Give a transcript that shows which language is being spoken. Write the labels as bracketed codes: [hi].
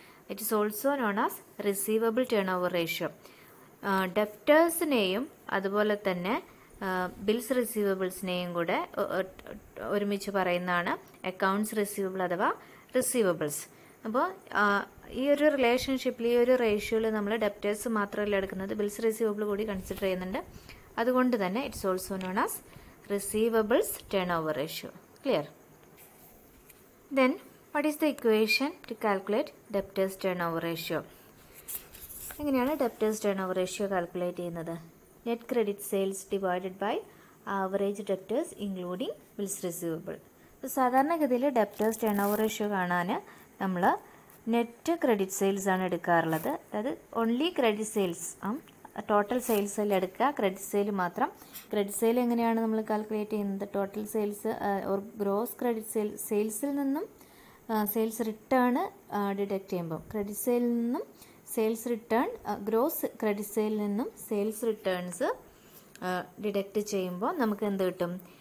[en] It is also known as receivable turnover ratio. [ml] ഡെപ്റ്റേഴ്സിനെയും അതുപോലെ തന്നെ bills റിസീവബിൾസിനെയും കൂടെ ഒരുമിച്ച് പറയുന്നതാണ് അക്കൗണ്ട്സ് റിസീവബിൾ അഥവാ റിസീവബിൾസ്. അപ്പോൾ ഈ ഒരു റിലേഷൻഷിപ്പിൽ ഈ ഒരു റേഷ്യോയിൽ നമ്മൾ ഡെപ്റ്റേഴ്സ് മാത്രമല്ല എടുക്കുന്നത്, ബിൽസ് റിസീവബിൾ കൂടി കൺസിഡർ ചെയ്യുന്നുണ്ട്. അതുകൊണ്ട് തന്നെ [en] It's also known as receivables turnover ratio. Clear? Then what is the equation to calculate debtors turnover ratio? [ml] എങ്ങനെയാണ് debtors turnover ratio calculate ചെയ്യുന്നത്? [en] Net credit sales divided by average debtors including bills receivable. [ml] ഇപ്പോൾ സാധാരണഗതിയിൽ debtors turnover ratio കാണാൻ നമ്മൾ net credit sales ആണ് എടുക്കാറുള്ളത്. അതായത് only credit sales total സെയിൽസെല്ലാം എടുക്കുക, ക്രെഡിറ്റ് സെയിൽ മാത്രം. ക്രെഡിറ്റ് സെയിൽ എങ്ങനെയാണ് നമ്മൾ കാൽക്കുലേറ്റ് ചെയ്യുന്നത്? Total sales or gross credit സെയിൽസിൽ നിന്നും സെയിൽസ് റിട്ടേൺ ഡിഡക്റ്റ് ചെയ്യുമ്പം, ക്രെഡിറ്റ് സെയിൽ നിന്നും sales return, gross credit sale നിന്നും സെയിൽസ് റിട്ടേൺസ് ഡിഡക്റ്റ് ചെയ്യുമ്പോൾ നമുക്ക് എന്ത് കിട്ടും?